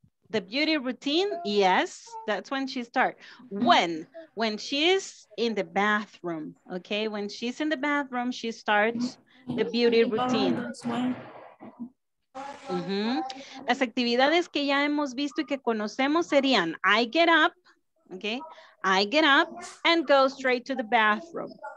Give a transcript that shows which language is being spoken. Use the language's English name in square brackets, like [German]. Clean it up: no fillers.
[English] The beauty routine, yes, that's when she starts. When she's in the bathroom, okay? When she's in the bathroom, she starts the beauty routine. Mm-hmm. [Spanish] Las actividades que ya hemos visto y que conocemos serían, [English] I get up, [Spanish] okay? [English] I get up and go straight to the bathroom.